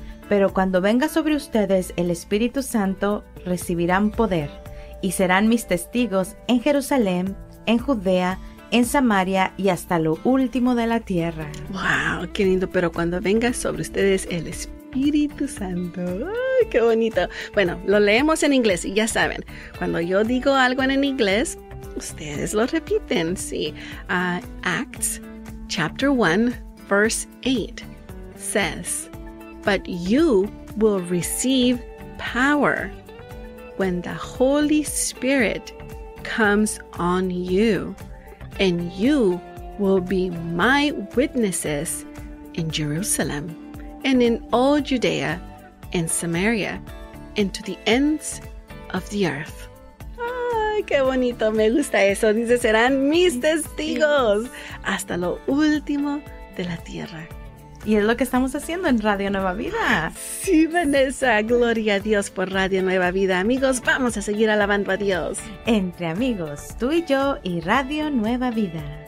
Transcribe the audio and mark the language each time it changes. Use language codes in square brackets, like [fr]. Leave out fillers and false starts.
[es] Pero cuando venga sobre ustedes el Espíritu Santo, recibirán poder y serán mis testigos en Jerusalén, en Judea, en Samaria y hasta lo último de la tierra. ¡Wow! ¡Qué lindo! Pero cuando venga sobre ustedes el Espíritu Santo. ¡Ay, qué bonito! Bueno, lo leemos en inglés y ya saben, cuando yo digo algo en inglés, ustedes lo repiten. Sí. [en] Acts chapter 1, verse 8 says, "But you will receive power when the Holy Spirit comes on you. And you will be my witnesses in Jerusalem and in all Judea and Samaria and to the ends of the earth." [es] ¡Ay, qué bonito! Me gusta eso. Dice, serán mis testigos hasta lo último de la tierra. Y es lo que estamos haciendo en Radio Nueva Vida. Sí, Vanessa. Gloria a Dios por Radio Nueva Vida. Amigos, vamos a seguir alabando a Dios. Entre amigos, tú y yo y Radio Nueva Vida.